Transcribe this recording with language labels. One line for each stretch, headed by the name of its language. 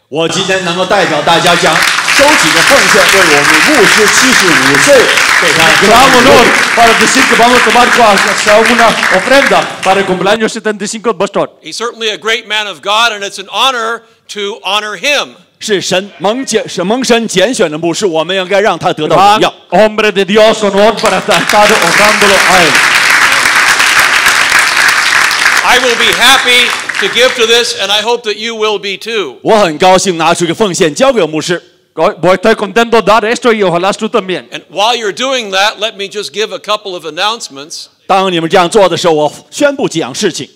English: 75 He's certainly a great man of God, and it's an honor to honor him.
Chinese: 是蒙神拣选的牧师,
Spanish: hombre de Dios, honor para estar honrándolo a él.
English: I will be happy to give to this, and I hope that you will be too.
Chinese: 我很高兴拿出一个奉献交给牧师。
Spanish: Voy estar contento de dar esto y ojalá tú también.
English: And while you're doing that, let me just give a couple of announcements.
Chinese: 当你们这样做的时候，我宣布几样事情。